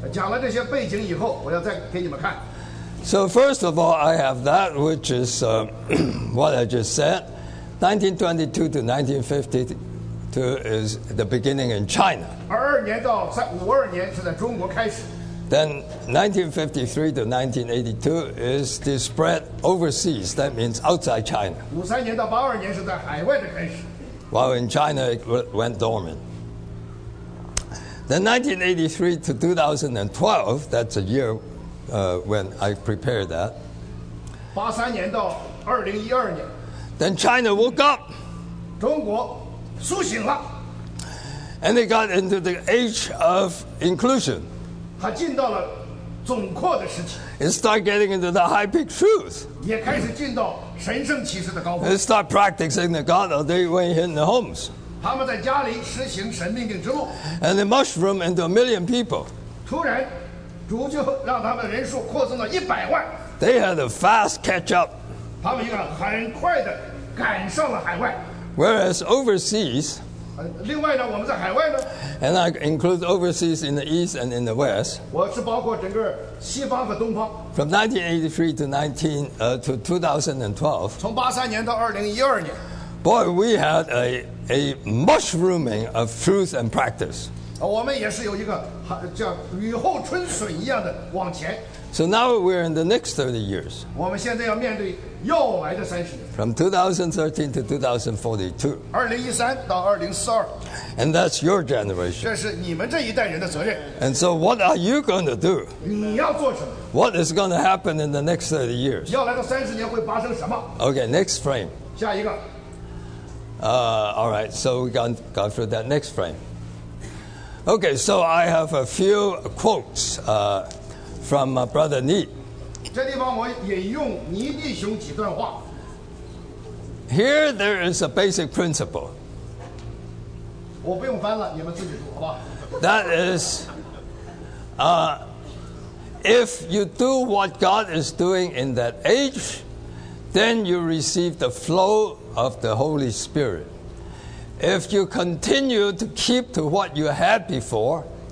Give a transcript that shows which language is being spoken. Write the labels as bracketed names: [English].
[Chinese] 讲了这些背景以后，我要再给你们看。 [English] So first of all, I have that which is what I just said. 1922 to 1952 is the beginning in China. [Chinese] 二二年到三五二年是在中国开始。 [English] Then 1953 to 1982 is the spread overseas. That means outside China. [Chinese] 五三年到八二年是在海外的开始。 [English] While in China it went dormant. Then 1983 to 2012. That's a year when I prepared that. [Chinese] 八三年到二零一二年。 [English] Then China woke up. [Chinese] 中国苏醒了。 [English] And they got into the age of inclusion. [Chinese] 它进到了总括的时期。 [English] It started getting into the high peak truth. [Chinese] 也开始进到神圣启示的高峰。 [English] It started practicing the God of the way in the homes. [Chinese] 他们在家里实行神命令之路。 [English] And they mushroomed into a million people. [Chinese] 突然，主就让他们人数扩增到一百万。 [English] They had a fast catch up. [Chinese] 他们一个很快的赶上了海外。 [English] Whereas overseas, [Chinese] 另外呢，我们在海外呢。 [English] And I include overseas in the east and in the west. [Chinese] 我是包括整个西方和东方。 [English] From 1983 to 2012. [Chinese] 从八三年到二零一二年。 [English] Boy, we had a mushrooming of truth and practice. [Chinese] 我们也是有一个叫雨后春笋一样的往前。 [English] So now we're in the next 30 years. [Chinese] 我们现在要面对又来的三十年。 [English] From 2013 to 2042. [Chinese] 2013到2042。 [English] And that's your generation. [Chinese] 这是你们这一代人的责任。 [English] And so what are you going to do? [Chinese] 你要做什么 [English] ？What is going to happen in the next 30 years? [Chinese] 要来的三十年会发生什么 [English] ？Okay, next frame. [Chinese] 下一个。 [English] All right. So we got through that next frame. Okay. So I have a few quotes. From Brother Ni. [Chinese] 这地方我引用尼弟兄几段话。 [English] Here there is a basic principle. 我不用翻了，你们自己读好吧。 That is, if you do what God is doing in that age, then you receive the flow of the Holy Spirit. If you continue to keep to what you had before.